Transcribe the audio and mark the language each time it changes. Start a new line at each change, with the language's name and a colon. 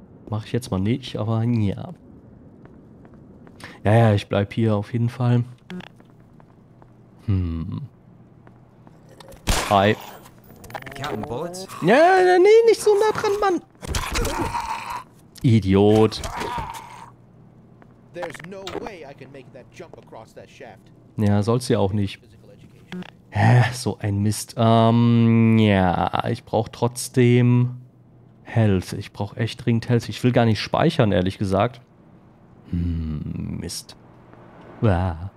German: Mach ich jetzt mal nicht, aber ja. Ja, ja, ich bleib hier auf jeden Fall.
English: Hi. Captain Bullets?
German: Ja, nee, nicht so nah dran, Mann. Idiot.
English: There's no way I can make that jump across that shaft.
German: Ja, sollst du ja auch nicht. Hä, so ein Mist. Ja, ich brauch trotzdem Health. Ich brauch echt dringend Health. Ich will gar nicht speichern, ehrlich gesagt. Mist. Wow.